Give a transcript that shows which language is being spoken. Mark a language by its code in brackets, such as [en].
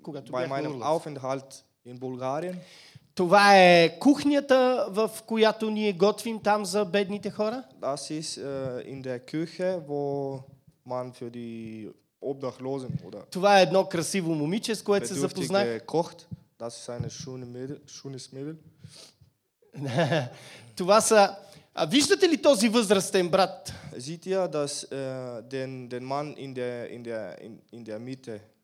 [de] bei meinem Aufenthalt in Bulgarien. [bg] Това е кухнята, в която ние готвим там за бедните хора. [de] Das ist in der Küche, wo man für die Obdachlosen oder. [bg] Това е едно красиво момиче, с което се запознах. [de] Kocht. Das ist eine schönes Mädel. [bg] Това са. А виждате ли този възрастен брат? [de] Sieht ihr das den Mann in der Mitte?